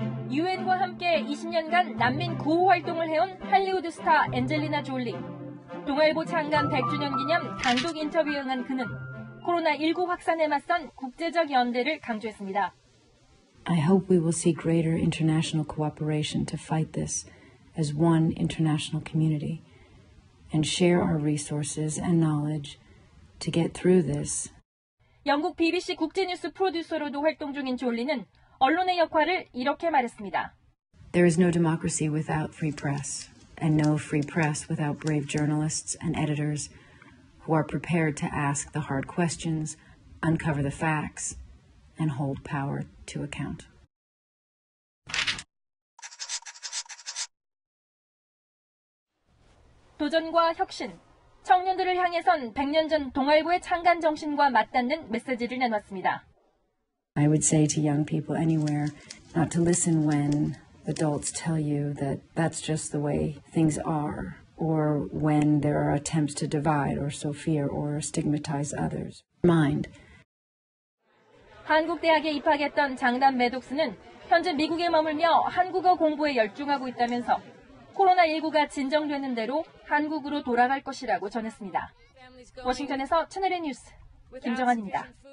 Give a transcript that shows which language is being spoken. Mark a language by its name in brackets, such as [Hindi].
[Korean] 유엔과 함께 20년간 난민 구호 활동을 해온 할리우드 스타 앤젤리나 졸리. 동아일보 창간 100주년 기념 단독 인터뷰에 응한 그는 코로나19 확산에 맞선 국제적 연대를 강조했습니다. [English] I hope we will see greater international cooperation to fight this as one international community and share our resources and knowledge to get through this. [Korean] 영국 BBC 국제뉴스 프로듀서로도 활동 중인 졸리는 언론의 역할을 이렇게 말했습니다. [English] There is no democracy without free press and no free press without brave journalists and editors who are prepared to ask the hard questions, uncover the facts, and hold power to account. [Korean] 도전과 혁신, 청년들을 향해선 100년 전 동아일보의 창간 정신과 맞닿는 메시지를 내놨습니다. [English] I would say to young people anywhere not to listen when adults tell you that that's just the way things are or when there are attempts to divide or so fear or stigmatize others. Mind. [Korean] 한국대학에 입학했던 장남 매독스는 현재 미국에 머물며 한국어 공부에 열중하고 있다면서 코로나19가 진정되는 대로 한국으로 돌아갈 것이라고 전했습니다. 워싱턴에서 채널A 뉴스 김정환입니다.